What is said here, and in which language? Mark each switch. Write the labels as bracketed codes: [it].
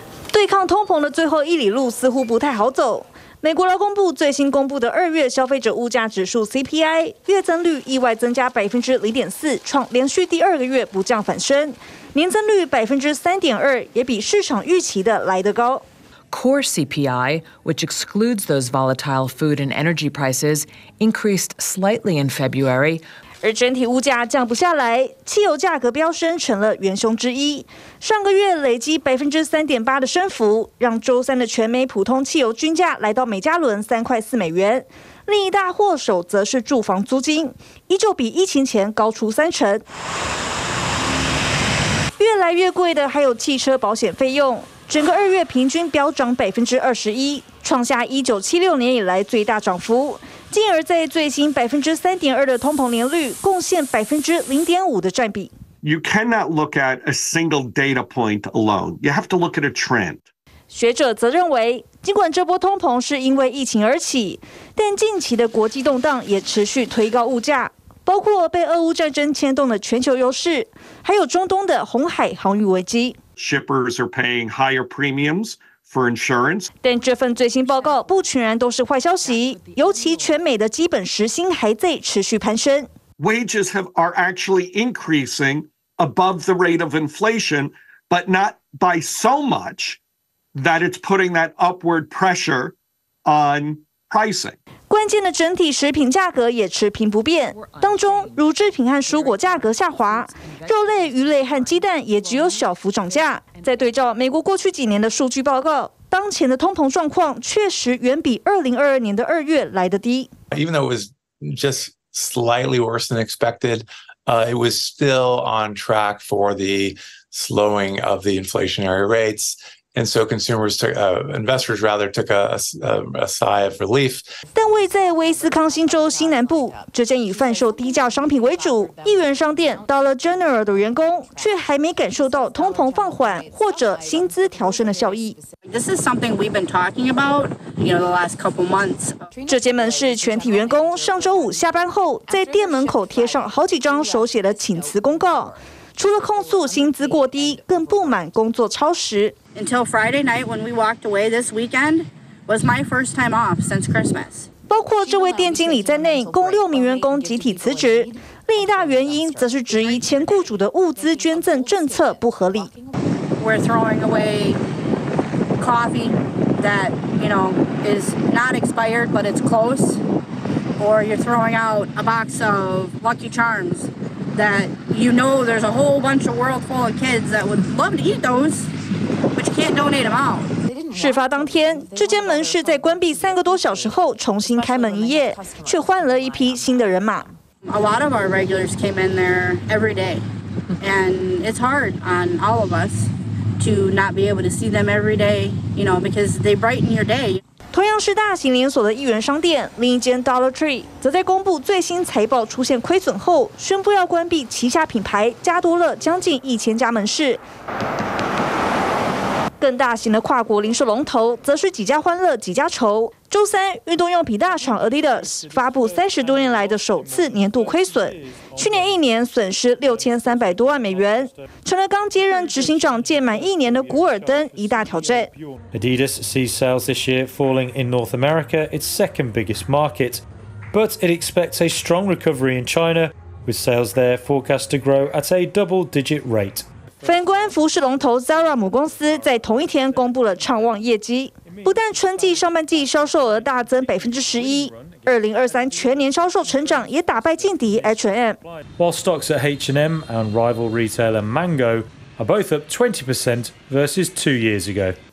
[zh] 对抗通膨的最后一里路似乎不太好走。美国劳工部最新公布的2月消费者物价指数 CPI 月增率意外增加0.4%，创连续第二个月不降反升，年增率3.2%也比市场预期的来得高。 [en] Core CPI, which excludes those volatile food and energy prices, increased slightly in February. [zh] 而整体物价降不下来，汽油价格飙升成了元凶之一。上个月累积3.8%的升幅，让周三的全美普通汽油均价来到每加仑3.4美元。另一大祸首则是住房租金，依旧比疫情前高出30%。越来越贵的还有汽车保险费用，整个2月平均飙涨21%，创下1976年以来最大涨幅。进而在最新3.2%的通膨年率贡献0.5%的占比。 [en] You cannot look at a single data point alone. You have to look at a trend. [zh] 学者则认为，尽管这波通膨是因为疫情而起，但近期的国际动荡也持续推高物价，包括被俄乌战争牵动的全球油市，还有中东的红海航运危机。 [en] Shippers are paying higher premiums for insurance. [zh] 但这份最新报告不全然都是坏消息，尤其全美的基本时薪还在持续攀升。 [en] Wages are actually increasing above the rate of inflation, but not by so much that it's putting that upward pressure on pricing. [zh] 关键的整体食品价格也持平不变，当中乳制品和蔬果价格下滑，肉类、鱼类和鸡蛋也只有小幅涨价。再对照美国过去几年的数据报告，当前的通膨状况确实远比2022年的二月来得低。 [en] Even though it was just slightly worse than expected, it was still on track for the slowing of the inflationary rates. And so consumers, investors rather, took a sigh of relief. [zh] 但位在威斯康星州西南部，这间以贩售低价商品为主100元商店 Dollar General 的员工，却还没感受到通膨放缓或者薪资调升的效益。 [en] This is something we've been talking about, you know, the last couple months. [zh] 这间门市全体员工上周五下班后，在店门口贴上好几张手写的请辞公告。除了控诉薪资过低，更不满工作超时。 [en] Until Friday night when we walked away this weekend was my first time off since Christmas. [zh] 包括这位店经理在内，共6名员工集体辞职。另一大原因则是质疑前雇主的物资捐赠政策不合理。 [en] We're throwing away coffee that, you know, is not expired but it's close, or you're throwing out a box of Lucky Charms. That you know there's a whole bunch of world full of kids that would love to eat those, but you can't donate them out. [zh] 事发当天，这间门市在关闭3个多小时后重新开门营业，却换了一批新的人马。 [en] A lot of our regulars came in there every day, and it's hard on all of us to not be able to see them every day, you know, because they brighten your day. [zh] 同样是大型连锁的一元商店，另一间 Dollar Tree 则在公布最新财报出现亏损后，宣布要关闭旗下品牌加多乐将近1000家门市。更大型的跨国零售龙头则是几家欢乐几家愁。周三，运动用品大厂 Adidas 发布30多年来的首次年度亏损，去年一年损失6300多万美元，成了刚接任执行长届满一年的古尔登一大挑战。 [en] Adidas sees sales this year falling in North America, its second biggest market, but it expects a strong recovery in China, with sales there forecast to grow at a double-digit rate. [zh] 反观服饰龙头 Zara 母公司，在同一天公布了畅旺业绩，不但春季上半季销售额大增11%，2023全年销售成长也打败劲敌 H&M。 [en] While stocks at H&M and rival retailer Mango are both up 20% versus 2 years ago，